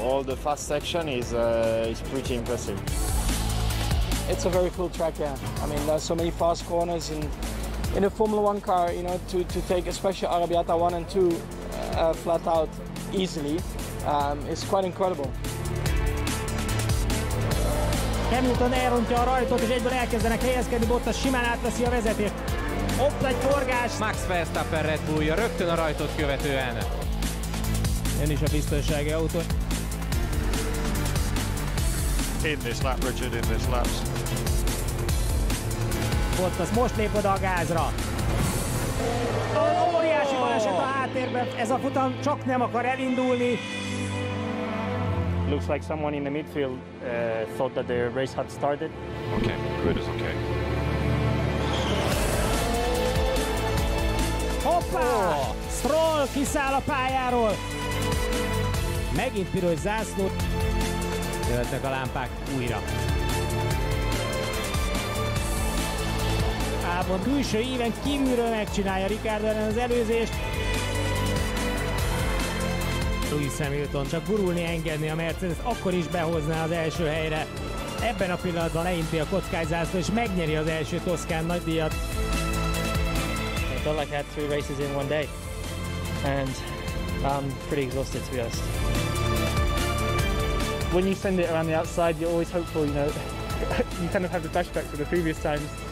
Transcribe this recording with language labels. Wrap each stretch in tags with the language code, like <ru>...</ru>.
<en>All the fast section is pretty impressive. It's a very cool track, yeah. I mean, there's so many fast corners in a Formula 1 car, you know, to take especially Arrabbiata 1 and 2 flat out easily, it's quite incredible.</en> <hu>Hamilton elrontja a rajtot, és egyből elkezdenek helyezkedni, Bottas simán átveszi a vezetést. Ott egy forgás. Max Verstappen Red Bullja rögtön a rajtot követően. Én is a biztonsági autó.</hu> <en>In this lap, Richard, in this lap.</en> <hu>Bottas most lép oda a gázra. Óriási baleset a háttérben, ez a futam csak nem akar elindulni.</hu> <en>Looks like someone in the midfield thought that the race had started. Okay, good, it's okay. Hoppá! Oh.</en> <hu>Stroll kiszáll a pályáról! Megint piros zászló. Jöhetnek a lámpák újra. Albon külső íven kívülről megcsinálja Ricardo ellen az előzést. Lewis Hamilton csak gurulni engedni a Mercedes, akkor is behozná az első helyre. Ebben a pillanatban leinti a kockázászló és megnyeri az első Toszkán nagydíjat.</hu> <en>I thought like I had 3 races in one day. And I'm pretty exhausted to be honest. When you send it around the outside, you're always hopeful, you know. You kind of have the flashback for the previous times.</en>